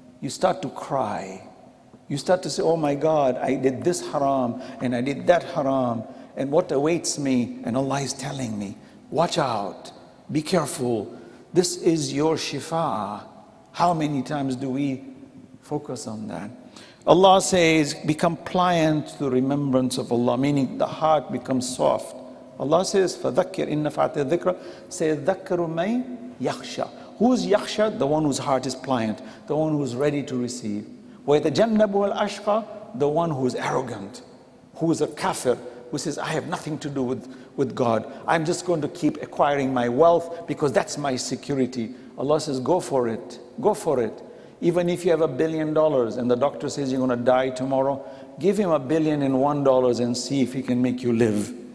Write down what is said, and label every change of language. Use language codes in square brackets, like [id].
[en] You start to cry. You start to say, oh my God, I did this haram and I did that haram, and what awaits me? And Allah is telling me, watch out, be careful. This is your shifa. How many times do we focus on that? Allah says, become pliant to the remembrance of Allah, meaning the heart becomes soft. Allah says, [ar] فَذَكِّرْ إِنَّ فَعْتِ الذِّكْرَ سَيَذَّكَّرُ مَنْ يَخْشَى. [en] Who's yakhsha? The one whose heart is pliant, the one who's ready to receive. [ar] وَيَتَجَنَّبُ الْأَشْقَى, [en] the one who is arrogant, who is a kafir, who says, I have nothing to do with God. I'm just going to keep acquiring my wealth because that's my security. Allah says, go for it, go for it. Even if you have $1 billion and the doctor says you're going to die tomorrow, give him $1 billion and $1 and see if he can make you live.